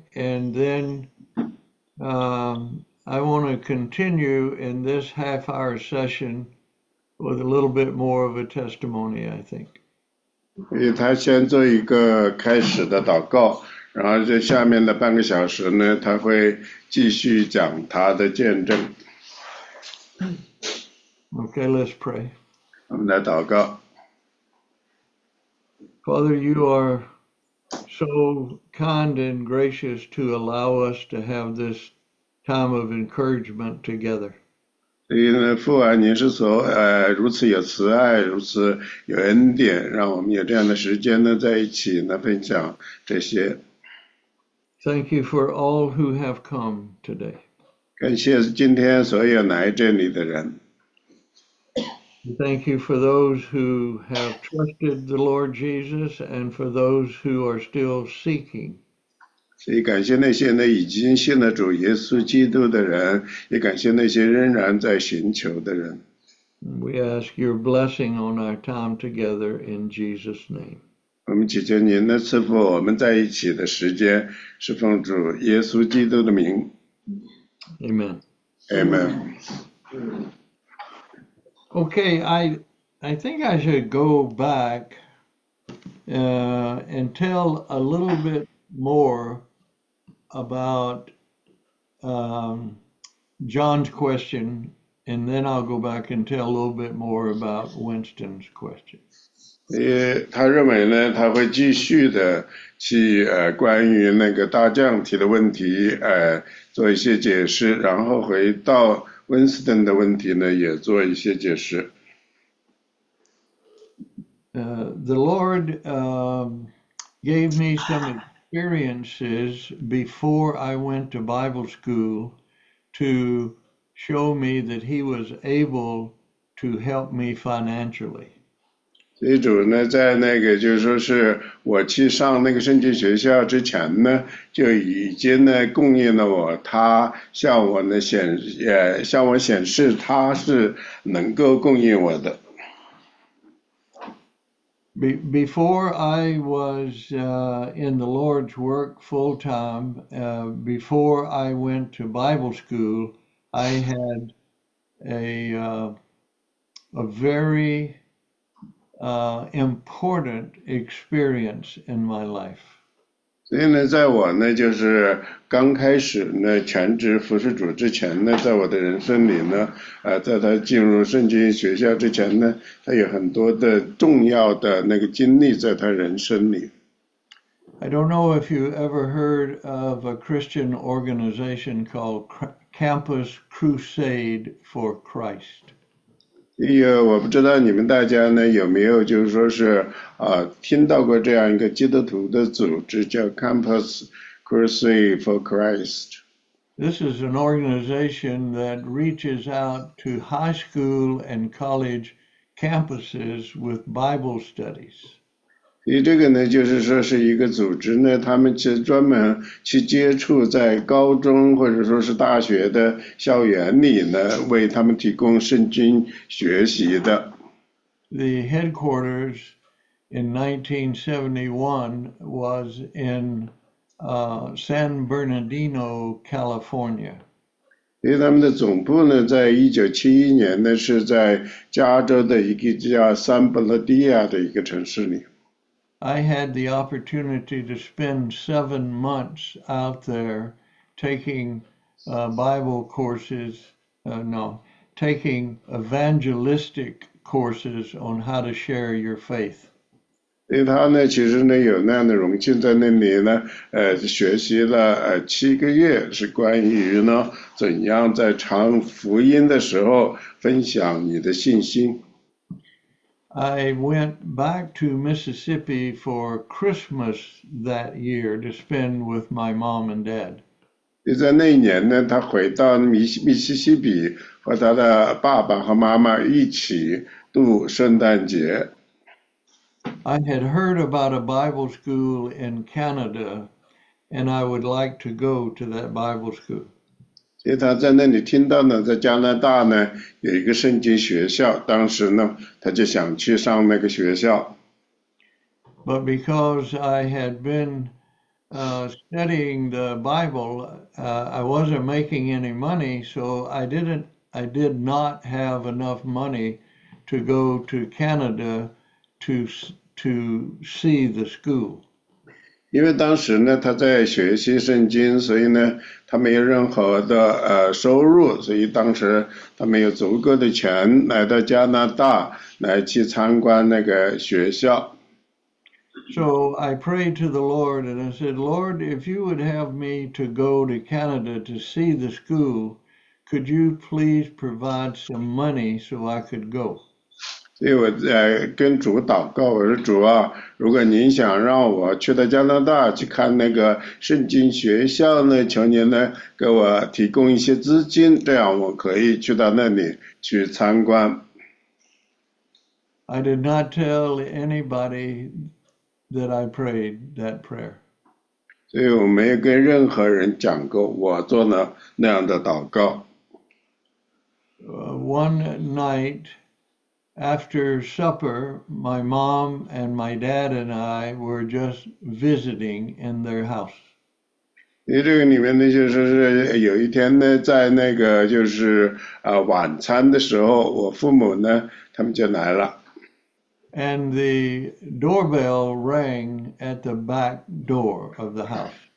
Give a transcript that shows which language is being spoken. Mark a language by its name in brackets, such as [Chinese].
[English] And then I want to continue in this half hour session with a little bit more of a testimony, I think. [Chinese] 所以他先做一个开始的祷告，然后在下面的半个小时呢，他会继续讲他的见证。 [English] Okay, let's pray. [Chinese] 我们来祷告。 [English] Father, you are so kind and gracious to allow us to have this time of encouragement together. [Chinese] 所以呢，父啊，您是说，如此有慈爱，如此有恩典，让我们有这样的时间呢，在一起呢，分享这些。 [English] Thank you for all who have come today. [Chinese] 感谢今天所有来这里的人。 [English] Thank you for those who have trusted the Lord Jesus and for those who are still seeking. [Chinese] 所以感谢那些呢已经信了主耶稣基督的人，也感谢那些仍然在寻求的人。 [English] We ask your blessing on our time together in Jesus' name. [Chinese] 我们祈求您的赐福，我们在一起的时间是奉主耶稣基督的名。 [English] Amen. Amen. Okay, I think I should go back and tell a little bit more about John's question, and then I'll go back and tell a little bit more about Winston's question. [Chinese] 他认为呢，他会继续的去关于那个大将提的问题做一些解释，然后回到温斯顿的问题呢，也做一些解释。 [English] The Lord gave me some experiences before I went to Bible school to show me that He was able to help me financially. [Chinese] 所以主呢，在那个就是说是我去上那个圣经学校之前呢，就已经呢供应了我，他向我呢显向我显示他是能够供应我的。 [English] Before I was in the Lord's work full time, before I went to Bible school, I had a very important experience in my life. [Chinese] 所以呢，在我呢，就是刚开始呢，全职服侍主之前呢，在我的人生里呢，在他进入圣经学校之前呢，他有很多的重要的那个经历在他人生里。 [English] I don't know if you ever heard of a Christian organization called Campus Crusade for Christ. [Chinese] 哎呀，我不知道你们大家呢有没有就是说是听到过这样一个基督徒的组织叫 Campus Crusade for Christ。 [English] This is an organization that reaches out to high school and college campuses with Bible studies. [Chinese] 所以这个呢就是说是一个组织呢，他们去专门去接触在高中或者说是大学的校园里呢，为他们提供圣经学习的。 [English] The headquarters in 1971 was in San Bernardino, California. [Chinese] 所以他们的总部呢，在1971年呢，是在加州的一个叫 San Bernardino 的一个城市里。 [English] I had the opportunity to spend 7 months out there taking Bible courses, taking evangelistic courses on how to share your faith. [Chinese] 因为他呢，其实呢有那样的荣幸在那里呢，学习了7个月，是关于呢怎样在传福音的时候分享你的信心。 [English] I went back to Mississippi for Christmas that year to spend with my mom and dad. [Chinese] 在那一年呢，他回到密西西比和他的爸爸和妈妈一起度圣诞节。 [English] I had heard about a Bible school in Canada, and I would like to go to that Bible school. [Chinese] 所以他在那里听到呢，在加拿大呢有一个圣经学校，当时呢他就想去上那个学校。 [English] But because I had been studying the Bible, I wasn't making any money, so I did not have enough money to go to Canada to see the school. [Chinese] 因为当时呢，他在学习圣经，所以呢，他没有任何的收入，所以当时他没有足够的钱来到加拿大来去参观那个学校。 [English] So I prayed to the Lord and I said, Lord, if you would have me to go to Canada to see the school, could you please provide some money so I could go? [Chinese] 所以我在跟主祷告，我说主啊，如果您想让我去到加拿大去看那个圣经学校呢，求您呢给我提供一些资金，这样我可以去到那里去参观。 [English] I did not tell anybody that I prayed that prayer. [Chinese] 所以我没有跟任何人讲过我做了那样的祷告。 [English] One night after supper, my mom and my dad and I were just visiting in their house. [Chinese] 因为这个里面呢，就是有一天呢，在那个就是晚餐的时候，我父母呢，他们就来了。 [English] And the doorbell rang at the back door of the house.